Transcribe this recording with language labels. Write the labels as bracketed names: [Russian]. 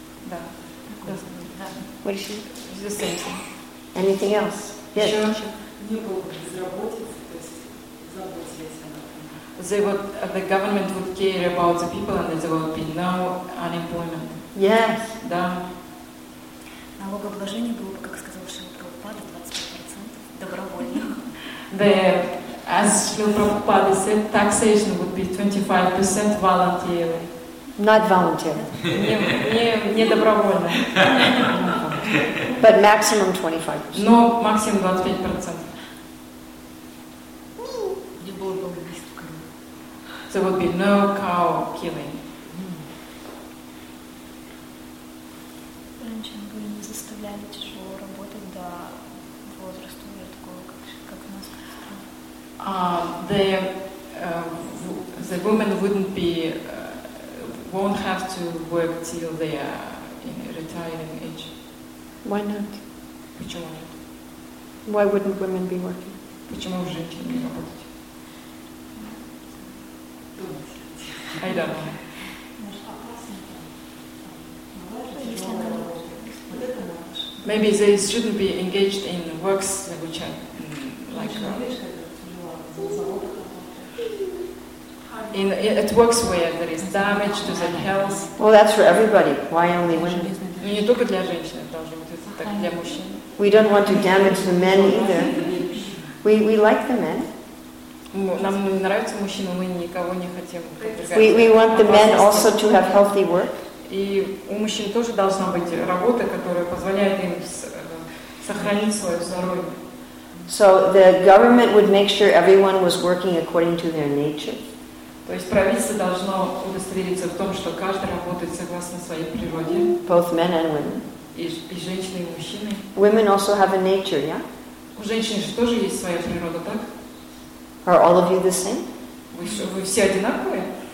[Russian] Да. [English] What is she? It's the same thing. Anything else? Yes. The government would care about the people and there would be no unemployment. Yes. [Russian] Да. Налогообложение было бы, как сказал Шрила Прабхупада, 25% добровольно. [English] The, as Шрила Прабхупада said, taxation would be 25% voluntarily. Not voluntarily. [Russian] Не добровольно. [English] But maximum 25%. [Russian] Но максимум 25%. Не было бы убийств коров. [English] So would be no cow killing. [Russian] Раньше бы не заставляли тяжело работать до возраста, или такого, как у нас. [English] The women wouldn't be won't have to work till they are in retiring age. Why not? [Russian] Почему нет? [English] Why wouldn't women be working? [Russian] Почему женщины не работают? [English] I don't know. [Russian] Если она [English] Maybe they shouldn't be engaged in works which are like it works where there is damage to the health. Well, that's for everybody. Why only women? [Russian] Не только для женщин, должно быть, это так для мужчин. [English] We don't want to damage the men either. We like the men. [Russian] Нам нравятся мужчины, мы никого не хотим. [English] We want the men also to have healthy work. [Russian] И у мужчин тоже должна быть работа, которая позволяет им сохранить свое здоровье. [English] So the government would make sure everyone was working according to their nature. [Russian] То есть правительство должно удостовериться в том, что каждый работает согласно своей природе. [English] Both men and women. [Russian] И женщины, и мужчины. [English] Women also have a nature, yeah? [Russian] У женщин же тоже есть своя природа, так? [English] Are all of you the same? [Russian] Вы все одинаковые?